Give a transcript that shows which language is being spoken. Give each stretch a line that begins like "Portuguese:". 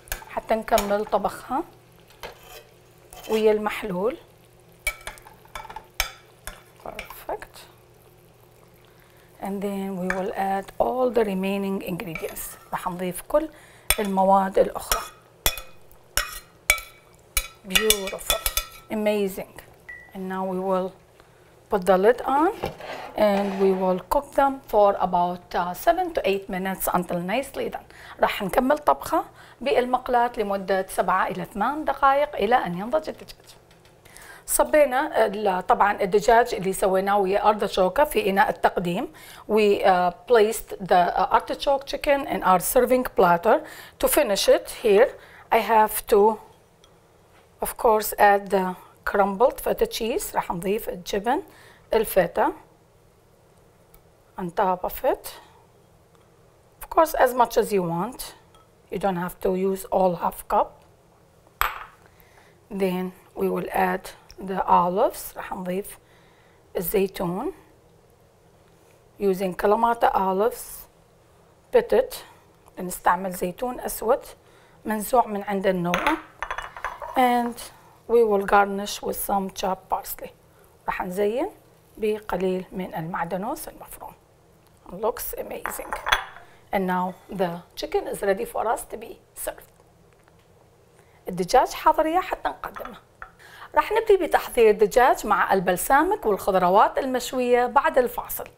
Arabic: حتى نكمل طبخها ويا المحلول.
English: Perfect. And then we will add all the remaining ingredients.
Arabic: رح نضيف كل المواد الأخرى.
English: Beautiful. Amazing. And now we will put the lid on and we will cook them for about 7 to 8 minutes until nicely done.
Arabic: رح نكمل طبخها بالمقلاة لمدة 7 إلى 8 دقائق إلى أن ينضج الدجاج. صبينا طبعا الدجاج اللي سويناه ويا ارتشوكه في اناء التقديم.
English: We placed the artichoke chicken in our serving platter. To finish it here, I have to of course add the crumbled feta cheese.
Arabic: راح نضيف الجبن الفيتا
English: on top of it. Of course as much as you want. You don't have to use all half cup. Then we will add the olives.
Arabic: راح نضيف الزيتون
English: using Kalamata olives pitted.
Arabic: بنستعمل زيتون أسود منزوع من عند النوع.
English: And we will garnish with some chopped parsley.
Arabic: راح نزين بقليل من المعدنوس المفروم.
English: Looks amazing. And now the chicken is ready for us to be served.
Arabic: الدجاج حاضر يا حتى نقدمه. راح نبدأ بتحضير الدجاج مع البلسامك والخضروات المشوية بعد الفاصل.